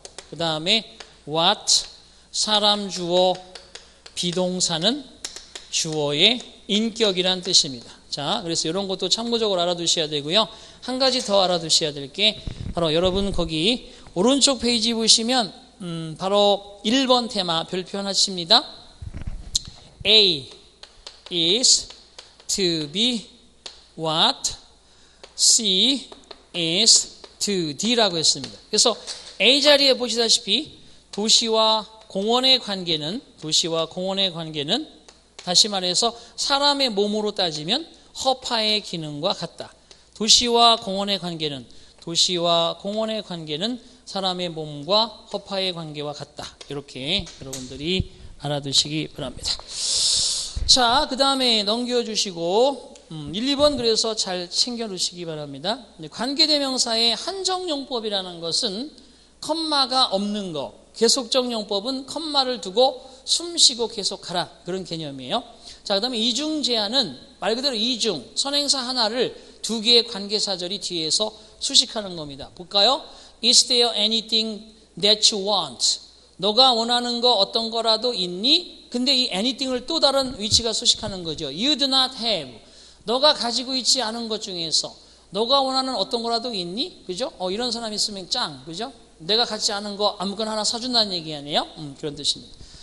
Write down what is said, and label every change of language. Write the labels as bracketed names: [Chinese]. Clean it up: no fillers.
[Korean] 그 다음에 what, 사람 주어, 비동사는 주어의 인격이란 뜻입니다. 자, 그래서 이런 것도 참고적으로 알아두셔야 되고요. 한 가지 더 알아두셔야 될 게 바로 여러분 거기 오른쪽 페이지 보시면 바로 1번 테마 별표 하나 칩니다. [English] A is to be what C is to D [Korean] 라고 했습니다. 그래서 A 자리에 보시다시피 도시와 공원의 관계는 도시와 공원의 관계는 다시 말해서 사람의 몸으로 따지면 허파의 기능과 같다. 도시와 공원의 관계는 도시와 공원의 관계는 사람의 몸과 허파의 관계와 같다. 이렇게 여러분들이 알아두시기 바랍니다. 자, 그 다음에 넘겨주시고 1, 2번 그래서 잘 챙겨놓으시기 바랍니다. 관계대명사의 한정용법이라는 것은 컴마가 없는 거. 계속적용법은 컴마를 두고 숨쉬고 계속 가라. 그런 개념이에요. 자, 그 다음에 이중제한은 말 그대로 이중, 선행사 하나를 두 개의 관계사절이 뒤에서 수식하는 겁니다. 볼까요? [English] Is there anything that you want? [Korean] 너가 원하는 거 어떤 거라도 있니? 근데 이 anything을 또 다른 위치가 수식하는 거죠. [English] You do not have. [Korean] 너가 가지고 있지 않은 것 중에서 너가 원하는 어떤 거라도 있니? 그죠? 이런 사람 있으면 짱. 그죠? 내가 갖지 않은 거 아무거나 하나 사준다는 얘기 아니에요? 그런 뜻입니다.